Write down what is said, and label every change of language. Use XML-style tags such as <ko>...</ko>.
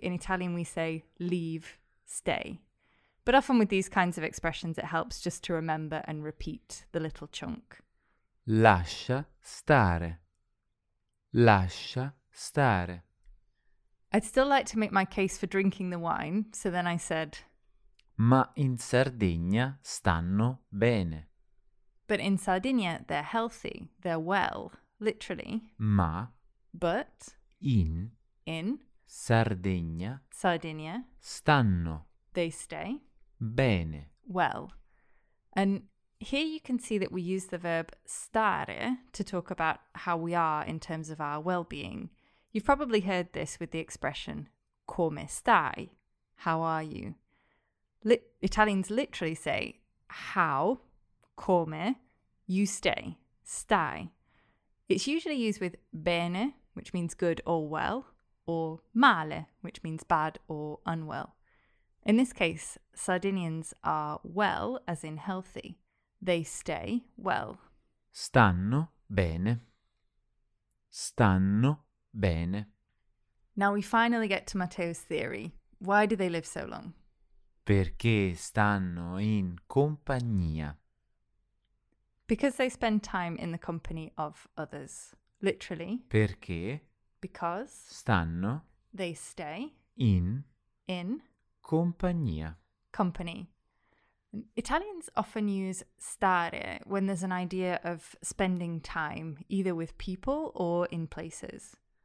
<en>In Italian we say leave, stay. But often with these kinds of expressions it helps just to remember and repeat the little chunk.</en> <it>Lascia stare. Lascia stare.</it> <en>I'd still like to make my case for drinking the wine, so then I said...</en> <it>Ma in Sardegna stanno bene.</it> <en>But in Sardinia they're healthy, they're well, literally.</en> <it>Ma...</it> <en>But...</en> <it>In...</it> <en>In...</en> <it>Sardegna...</it> <en>Sardinia...</en> <it>Stanno...</it> <en>They stay...</en> <it>Bene.</it> <en>Well. And here you can see that we use the verb stare to talk about how we are in terms of our well-being. You've probably heard this with the expression,</en> <it>come stai,</it> <en>how are you? Italians literally say, how, come, you stay, stai. It's usually used with bene, which means good or well, or male, which means bad or unwell. In this case, Sardinians are well, as in healthy. They stay well.</en> <it>Stanno bene. Stanno bene.</it> <en>Now we finally get to Matteo's theory. Why do they live so long?</en> <it>Perché stanno in compagnia.</it> <en>Because they spend time in the company of others. Literally.</en> <it>Perché.</it> <en>Because.</en> <it>Stanno.</it> <en>They stay.</en> <it>In.</it> <en>In.</en> <it>Compagnia.</it> <en>Company. Italians often use stare when there's an idea of spending time, either with people or in places.</en>